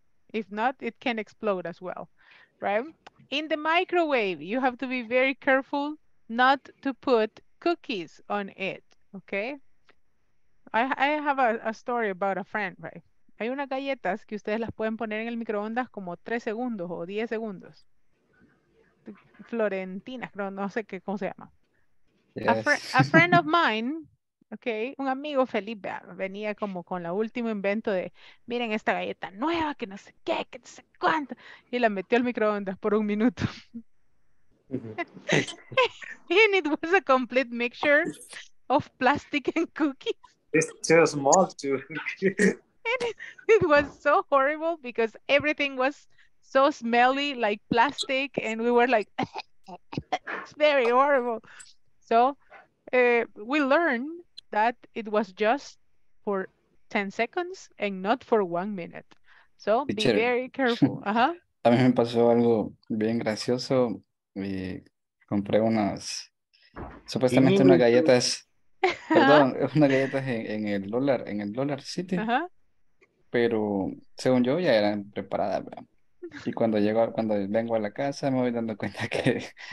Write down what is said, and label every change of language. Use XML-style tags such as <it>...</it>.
<en>If not, it can explode as well, right? In the microwave, you have to be very careful not to put cookies on it, okay? I have a story about a friend, right?</en> <es>Hay unas galletas que ustedes las pueden poner en el microondas como 3 segundos o 10 segundos. Florentina, creo, no sé qué, cómo se llama.</es> <en>Yes. A friend of mine, okay,</en> <es>un amigo Felipe, venía como con la último invento de, miren esta galleta nueva, que no sé qué, que no sé cuánto, y la metió al microondas por un minuto. Mm-hmm.</es> <en>And it was a complete mixture of plastic and cookies. It's too small too. And it was so horrible because everything was so smelly, like plastic, and we were like, it's very horrible. So we learned that it was just for 10 seconds and not for 1 minute. So Richard, be very careful.</en> <es>A mí me pasó algo bien gracioso y compré unas, supuestamente unas galletas, perdón, unas galletas en el Dollar City. Ajá. Uh-huh. Pero según yo ya eran preparadas, ¿verdad? Y cuando vengo a la casa me voy dando cuenta que</es>